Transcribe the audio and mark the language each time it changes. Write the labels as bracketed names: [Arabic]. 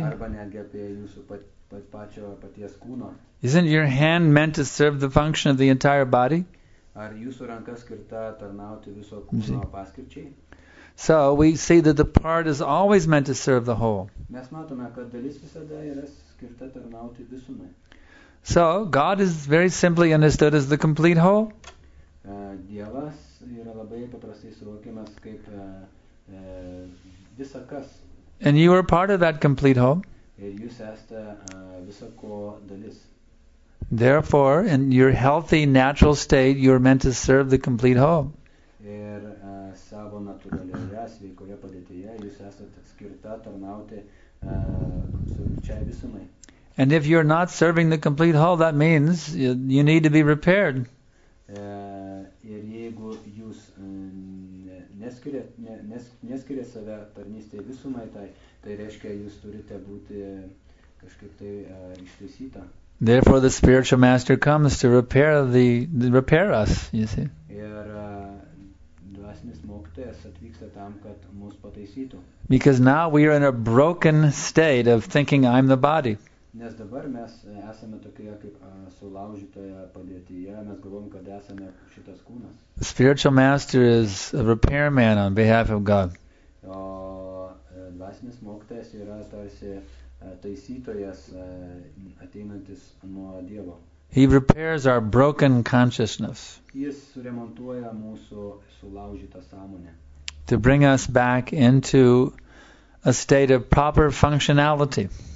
[Lithuanian] Arba netgi apie jūsų pačio paties kūno. [English] Isn't your hand meant to serve the function of the entire body? [Lithuanian] Ar jūsų ranka skirta tarnauti viso kūno paskirčiai? [English] So we see that the part is always meant to serve the whole. [Lithuanian] Mes matome, kad dalis visada yra skirta tarnauti visumai. [English] So God is very simply understood as the complete whole. [Lithuanian] Dievas yra labai paprastai suvokiamas kaip visa kas. [English] And you are part of that complete whole. [Lithuanian] Ir jūs esate visa ko dalis. [English] Therefore, in your healthy, natural state, you are meant to serve the complete whole. [Lithuanian] Ir savo natūralioje, sveikoje padėtyje, jūs esate skirta tarnauti absoliučiai visumai. [English] And if you're not serving the complete whole, that means you need to be repaired. [Lithuanian] Ir jeigu jūs neskiriat save tarnystei visumai, tai reiškia, jūs turite būti kažkaip tai ištaisyta. [English] Therefore the spiritual master comes to repair us, you see. [Lithuanian] Ir dvasinis mokytojas atvyksta tam, kad mus pataisytų. [English] Because now we are in a broken state of thinking I'm the body. [Lithuanian] Nes dabar mes esame tokioje kaip sulaužytoje padėtyje, mes galvom, kad esame šitas kūnas. [English] The spiritual master is a repairman on behalf of God. [Lithuanian] O dvasinis mokytojas yra tarsi taisytojas ateinantis nuo Dievo. [English] He repairs our broken consciousness. [Lithuanian] Jis suremontuoja mūsų sulaužytą sąmonę. [English] To bring us back into a state of proper functionality.